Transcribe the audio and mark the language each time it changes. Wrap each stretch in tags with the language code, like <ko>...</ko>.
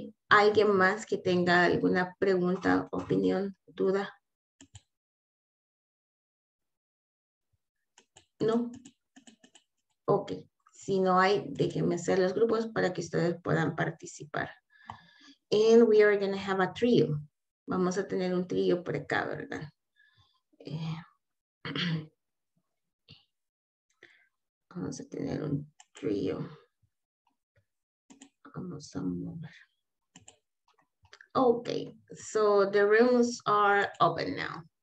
<es>¿Alguien más que tenga alguna pregunta, opinión, duda? ¿No? Ok. Si no hay, déjenme hacer los grupos para que ustedes puedan participar.</es> <en>And we are going to have a trio.</en> <es>Vamos a tener un trio por acá, ¿verdad? Vamos a tener un trío. Vamos a mover.</es> <en>Okay, so the rooms are open now.</en>